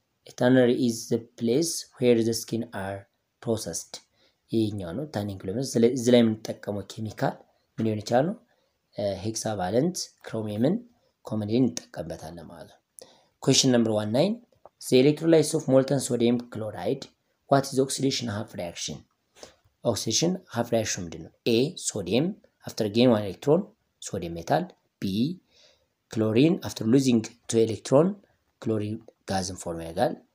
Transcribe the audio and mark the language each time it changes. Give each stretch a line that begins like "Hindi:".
English: A tanner is the place where the skin are processed.
Amharic: ይሄኛው ነው tanning ለምን እዚህ ላይ የምንጠቀመው ኬሚካል ምን ሊሆን ይችላል ነው hexavalent chromiumን commonly እንጠቀምበታለን ማለት ነው።
English: Question number 19. The electrolytes of molten sodium chloride. What is oxidation half reaction? Oxidation half reaction
Amharic: ምንድን ነው?
English: A. Sodium after gaining one electron, sodium metal. B. Chlorine after losing two electron, chlorine gas form ያጋል.